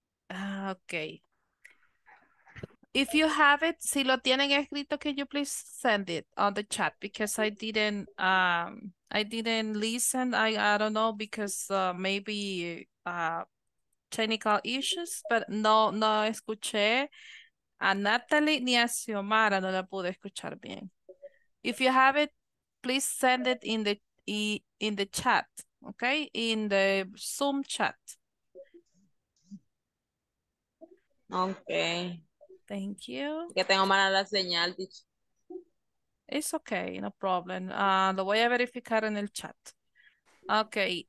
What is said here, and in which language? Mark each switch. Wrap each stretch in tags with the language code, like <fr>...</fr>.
<en>Okay. If you have it,</en> <es>si lo tienen escrito,</es> <en>can you please send it on the chat? Because I didn't listen. I don't know, because maybe technical issues, but</en> <es>no escuché. a Natalie ni a Xiomara, no la pude escuchar bien.</es> <en>If you have it, please send it in the chat, okay? In the Zoom chat. Okay. Thank you.</en> <es>Que tengo mala la señal, dicho.</es> <en>It's okay, no problem.</en> <es>Lo voy a verificar en el chat. Okay.</es>